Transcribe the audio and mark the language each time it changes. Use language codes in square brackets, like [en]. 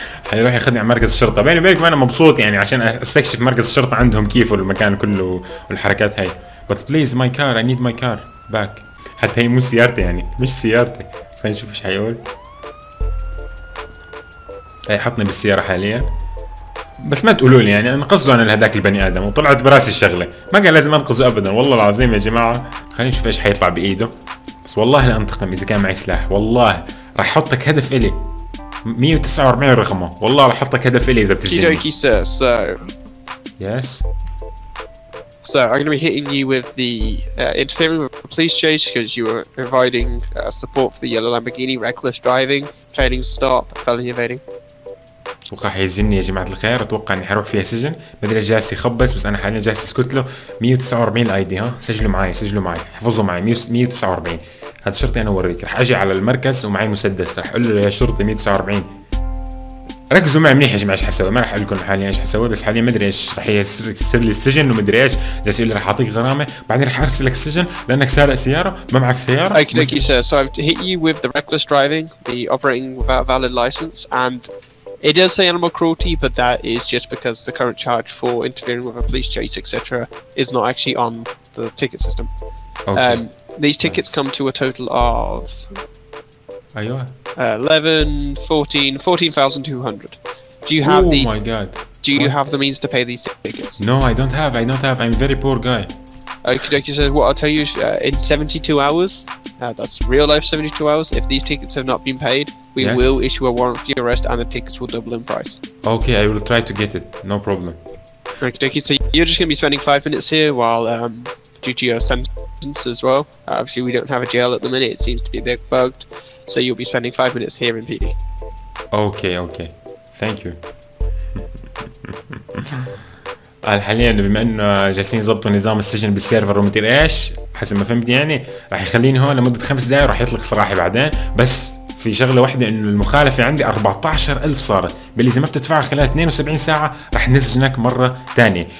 [ar] حيروح يخدني على مركز الشرطة. بيني وبينك أنا مبسوط يعني عشان أستكشف مركز الشرطة عندهم كيف والمكان كله والحركات هاي. [en] But please my car, I need my car back. [ar] حتى هي مو سيارتي يعني. مش سيارتي. خلينا نشوف إيش حيقول. هي حطني بالسيارة حاليا. بس ما تقولوا لي يعني أنا قصده أنا لهذاك البني آدم وطلعت براسي الشغلة. ما كان لازم أنقذه أبدا والله العظيم يا جماعة. خلينا نشوف إيش حيطلع بإيده. بس والله لأنتقم إذا كان معي سلاح. والله راح أحطك هدف إلي. 149 رقمه والله راح احطك هدف الي اذا بتجيني. [en] Okay, sir. So, yes. So I'm going to be hitting you with the interfering with the police chase because you were providing support for the yellow Lamborghini, reckless driving, failing stop, felony evading. [ar] اتوقع حيزني يا جماعه الخير. اتوقع اني حروح فيها سجن. ما ادري جالس يخبص بس انا حاليا جالس اسكت له. 149 الاي دي ها سجلوا معي سجلوا معي احفظوا معي 149. هذا شرطي انا اوريك. رح اجي على المركز ومعي مسدس رح اقول له يا شرطي 149 ركزوا معي منيح يا جماعه ايش حسوي. ما رح اقول لكم حاليا ايش حسوي بس حاليا ما ادري ايش رح يصير لي السجن وما ادري ايش جالس يقول لي رح اعطيك غرامه بعدين رح ارسلك السجن لانك سارق سياره ما معك سياره. [en] Okay, okay, sir. So I've hit you with the reckless driving, the operating without valid license, and it does say animal cruelty, but that is just because the current charge for interfering with a police chase, etc., is not actually on the ticket system. Okay. These tickets come to a total of 14,200. Do you have Oh my god. Do you have the means to pay these tickets? No, I don't have. I don't have. I'm a very poor guy. Okay, so what I'll tell you is in 72 hours, that's real life 72 hours, if these tickets have not been paid, we yes. will issue a warrant for your arrest and the tickets will double in price. Okay, I will try to get it. No problem. Okay, so you're just going to be spending 5 minutes here while due to your sentence as well. Obviously, we don't have a jail at the minute. It seems to be a bit bugged. So you'll be spending 5 minutes here in PD. Okay, okay. Thank you. [ar] الحالي انه بما انه جالسين يضبطوا نظام السجن بالسيرفر ومدير ايش حسب ما فهمت يعني راح يخليني هون لمده 5 دقائق راح يطلق صراحي بعدين. بس في شغله واحده انه المخالفه عندي 14,000 صارت باللي اذا ما بتدفع خلال 72 ساعه راح نسجنك مره ثانيه.